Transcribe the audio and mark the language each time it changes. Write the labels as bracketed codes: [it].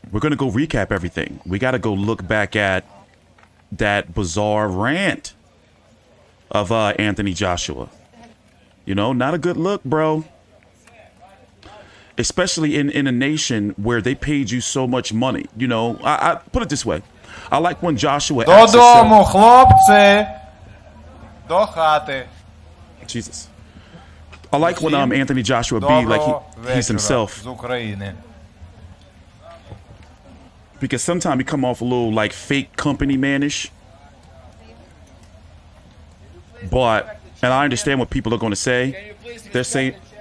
[en] We're going to go recap everything. We got to go look back at that bizarre rant of Anthony Joshua. You know, not a good look, bro. Especially in a nation where they paid you so much money. You know, I put it this way. I like when Joshua asks [uk] Додому, хлопці, до хати. [en] Jesus. I like when Anthony Joshua be like he's himself. [uk] З України. [en] Because sometimes he come off a little like fake company man-ish. But, and I understand what people are going to say. They're saying...